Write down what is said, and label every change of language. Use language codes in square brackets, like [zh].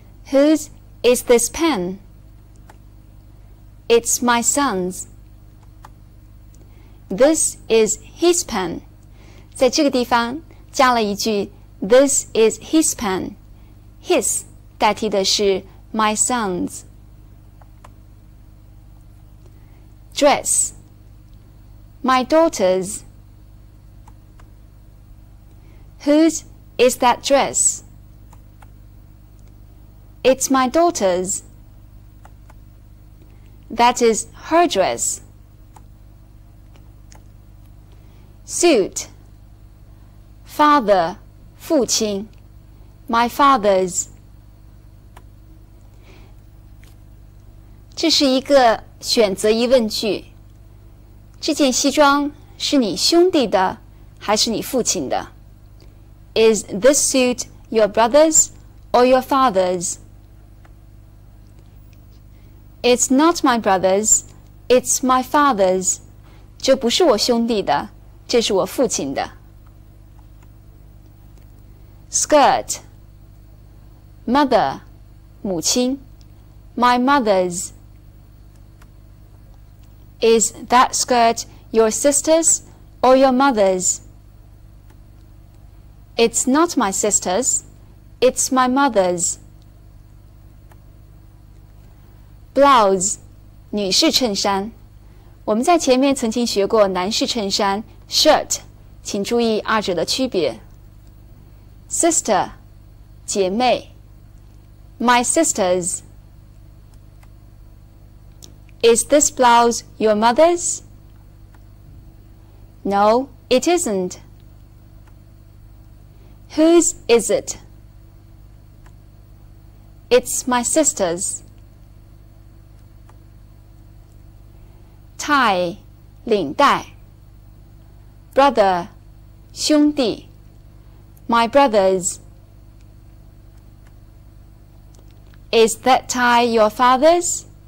[en] Whose is this pen? It's my son's. This is his pen. [zh] 在这个地方加了一句 [en] This is his pen. His [zh] 代替的是 [en] my son's. Dress. My daughter's. Whose is that dress? It's my daughter's. That is her dress. Suit. Father, [zh] 父亲, [en] my father's. [zh] 这是一个选择疑问句。这件西装是你兄弟的还是你父亲的? [en] Is this suit your brother's or your father's? It's not my brother's, it's my father's. [zh] 这不是我兄弟的,这是我父亲的。 [en] Skirt. Mother. [zh] 母亲. [en] My mother's. Is that skirt your sister's or your mother's? It's not my sister's. It's my mother's. Blouse. [zh] 女士衬衫. 我们在前面曾经学过男士衬衫 [en] shirt. [zh] 请注意二者的区别。 [en] Sister, [zh] 姐妹, [en] my sister's. Is this blouse your mother's? No, it isn't. Whose is it? It's my sister's. Tie, [zh] 领带, [en] brother, [zh] 兄弟。 [en] My brothers. Is that tie your father's?